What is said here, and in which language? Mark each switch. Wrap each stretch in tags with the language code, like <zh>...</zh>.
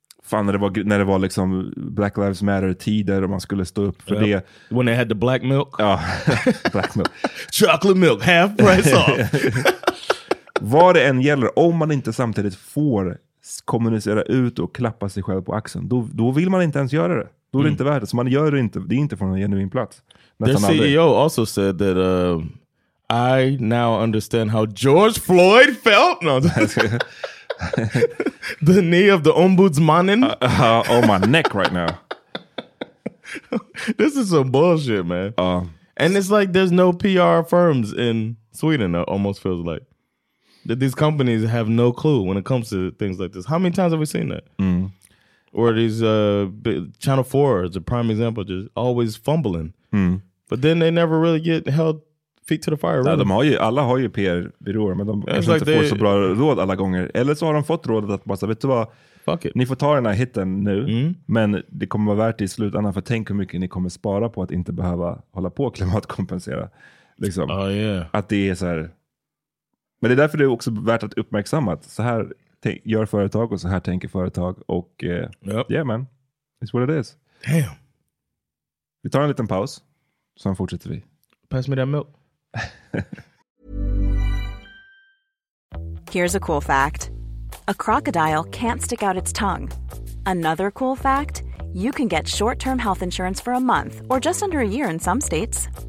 <sv>fan, när det var liksom Black Lives Matter tider och man skulle stå upp för det.</sv> <en>When they had the black milk.</en> <sv>Ja,</sv> <en>black milk. Chocolate milk, half price off.</en> <sv>Vad det än gäller, om man inte samtidigt får kommunicera ut och klappa sig själv på axeln, då vill man inte ens göra det. Då är det inte värt det. Så man gör det inte. Det är inte från en genuin plats.</sv> <en>The CEO also said that I now understand how George Floyd felt. No, the knee of the ombudsmannen. On my neck right now. This is some bullshit, man. And it's like there's no PR firms in Sweden, it almost feels like. That these companies have no clue when it comes to things like this. How many times have we seen that? Mm. Or these Channel 4 is a prime example, just always fumbling. Mm. But then they never really get held feet to the fire. Really.</en> <sv>Ja, alla har ju PR-byråer, men de kanske</sv> <en>like</en> <sv>inte får så bra råd alla gånger. Eller så har de fått rådet att bara, vet du vad,</sv> <en>fuck it.</en> <sv>Ni får ta den här hitten nu, men det kommer vara värt det i slutändan, för tänk hur mycket ni kommer spara på att inte behöva hålla på och klimatkompensera. Liksom. Att det är så här. Men det är därför det är också värt att uppmärksamma att så här gör företag och så här tänker företag. Och</sv> <en>yeah man, it's what it is. Damn.</en> <sv>Vi tar en liten paus, sen fortsätter vi.</sv> <en>Pass me that milk. Here's a cool fact. A crocodile can't stick out its tongue. Another cool fact, you can get short-term health insurance for a month or just under a year in some states.</en>